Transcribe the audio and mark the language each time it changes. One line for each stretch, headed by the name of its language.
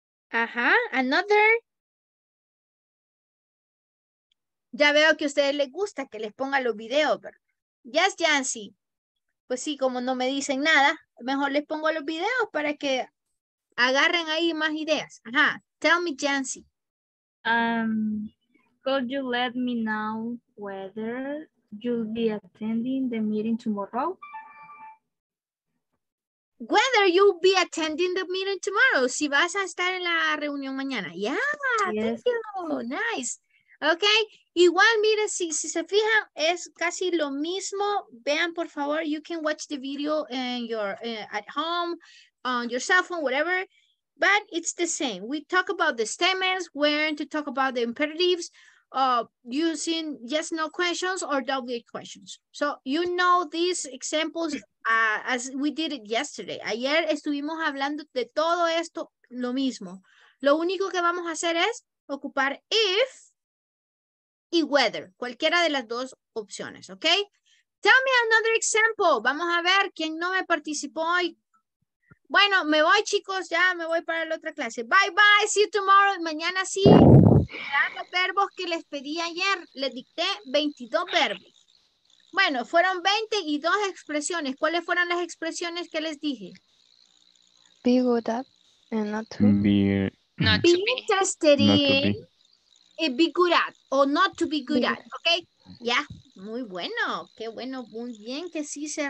English: Ajá, another.
Spanish: Ya veo que a ustedes les gusta que les ponga los videos, ¿verdad?
English: Yes, Yancy.
Spanish: Pues sí, como no me dicen nada, mejor les pongo los videos para que agarren ahí más ideas.
English: Ajá, tell me, Yancy. Could you let me know whether you'll be attending the meeting tomorrow? Whether you'll be attending the meeting tomorrow?
Spanish: Si vas a estar en la reunión mañana.
English: Yeah, yes. Thank you. Nice. Okay.
Spanish: Igual, mire, si se fijan, es casi lo mismo. Vean, por favor,
English: you can watch the video in your at home, on your cell phone, whatever. But it's the same. We talk about the statements, when to talk about the imperatives, using yes, no questions or WH questions. So you know these examples as we did it yesterday.
Spanish: Ayer estuvimos hablando de todo esto lo mismo. Lo único que vamos a hacer es ocupar if y whether. Cualquiera de las dos opciones, okay?
English: Tell me another example.
Spanish: Vamos a ver quién no me participó y bueno, me voy, chicos, ya me voy para la otra clase.
English: Bye, bye, see you tomorrow.
Spanish: Mañana sí, los verbos que les pedí ayer, les dicté 22 verbos. Bueno, fueron 22 expresiones. ¿Cuáles fueron las expresiones que les dije?
English: Be good at and not to be. Not to be interested in and be good at o not to be good at. Ok, ya. Yeah.
Spanish: Muy bueno, qué bueno, muy bien que sí se